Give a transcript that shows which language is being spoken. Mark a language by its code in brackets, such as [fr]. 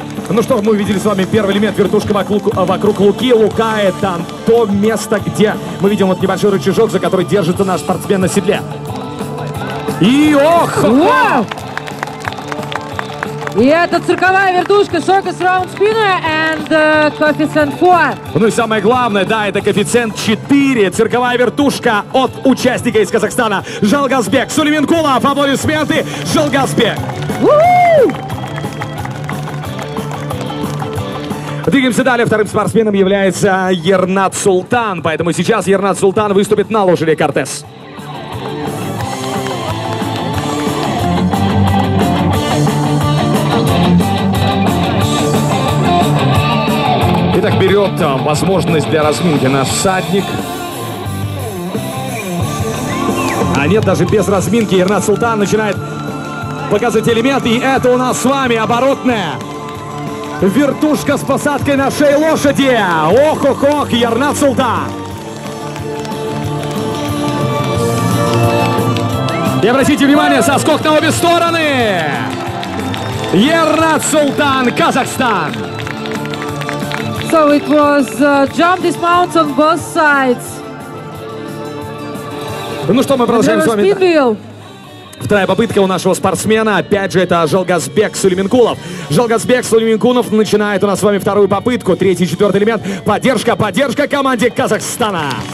[ru] Ну что, мы увидели с вами первый элемент, вертушка вокруг луки. Лука — это то место, где мы видим вот небольшой рычажок, за который держится наш спортсмен на седле. И ох! И это цирковая вертушка, [en] circus round spinner and coefficient 4. [ru] Ну и самое главное, да, это коэффициент 4. Цирковая вертушка от участника из Казахстана. Жалгазбек Сулейменкулов. Аплодисменты. Жалгазбек. Двигаемся далее. Вторым спортсменом является Ернат Султан. Поэтому сейчас Ернат Султан выступит на лошади Кортес. Итак, берет возможность для разминки наш всадник. А нет, даже без разминки Ернат Султан начинает показывать элемент. И это у нас с вами оборотная вертушка с посадкой на шее лошади. Ох-ох-ох, Ернат Султан. И обратите внимание, соскок на обе стороны. Ернат Султан, Казахстан. [en] So it was jump dismount on both sides. [ru] Ну что, мы продолжаем с вами. Вторая попытка у нашего спортсмена. Опять же, это Жалгазбек Сулейменкулов. Жалгазбек Сулейменкулов начинает у нас с вами вторую попытку. Третий, четвертый элемент. Поддержка, поддержка команде Казахстана.